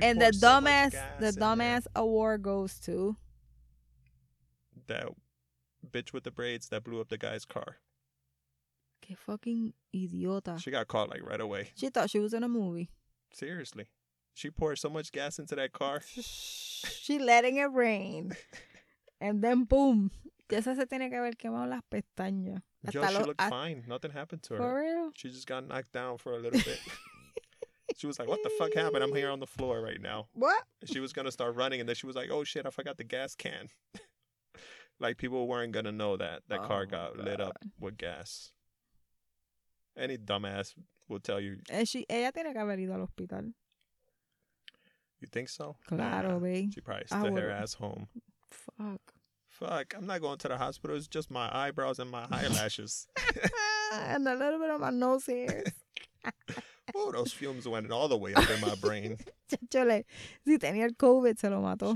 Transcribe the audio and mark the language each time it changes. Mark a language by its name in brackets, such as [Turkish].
[English] And the dumbass award goes to that bitch with the braids that blew up the guy's car. [Spanish] Que fucking idiota. [English] She got caught like right away. She thought she was in a movie. Seriously. She poured so much gas into that car. She letting it rain. And then boom. [Spanish] Esa se tiene que haber quemado las pestañas. [English] Yo, she looked fine. Nothing happened to her. For real? She just got knocked down for a little bit. She was like, what the fuck happened? I'm here on the floor right now. What? She was going to start running. And then she was like, oh shit, I forgot the gas can. Like people weren't going to know that car got lit up with gas. Any dumbass will tell you. [Spanish] Ella tiene que haber ido al hospital. [English] You think so? [Spanish] Claro, babe. [English] She probably stood her ass home. Fuck. I'm not going to the hospital. It's just my eyebrows and my eyelashes. And a little bit of my nose hairs. Oh, those fumes went all the way up in my brain. [Spanish] Chole, si tenía el COVID, se lo mató.